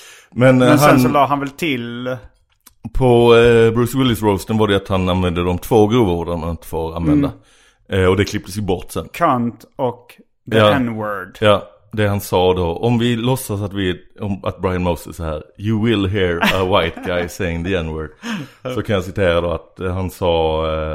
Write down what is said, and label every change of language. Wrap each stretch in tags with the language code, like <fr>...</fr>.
<sv>Men han, sen så la han väl till... På Bruce Willis-roasten var det att han använde de två grova orden man inte får använda. Mm. Och det klipptes ju bort sen. Cunt och the, ja, N-word. Ja, det han sa då. Om vi låtsas att, att Brian Moses är här.</sv> <en>You will hear a white guy saying the N-word.</en> <sv>Så kan jag citera då att han sa...</sv>